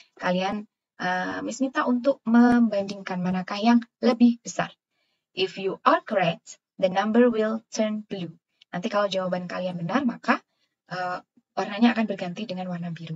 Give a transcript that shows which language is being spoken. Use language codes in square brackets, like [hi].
[id] Kalian Miss Mita untuk membandingkan manakah yang lebih besar. [en] If you are correct, the number will turn blue. [id] Nanti kalau jawaban kalian benar, maka warnanya akan berganti dengan warna biru.